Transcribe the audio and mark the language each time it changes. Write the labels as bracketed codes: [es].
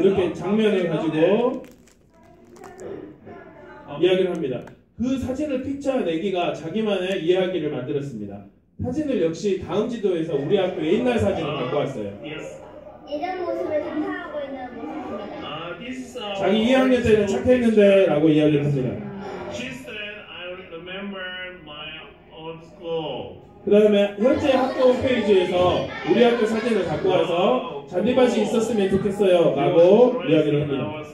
[ko] 이렇게 장면을 가지고 이야기를 합니다. 그 사진을 픽처 내기가 자기만의 이야기를 만들었습니다. 사진을 역시 다음 지도에서 우리 학교 옛날 사진을 갖고 왔어요. 예전 모습을 상상하고 있는 모습입니다. 자기 2학년 때는 착했는데 라고 이야기를 합니다. [en] She said I remember my old school. [ko] 그 다음에 현재 학교 홈페이지에서 우리 학교 사진을 갖고 와서 잔디밭이 있었으면 좋겠어요 라고 이야기를 합니다.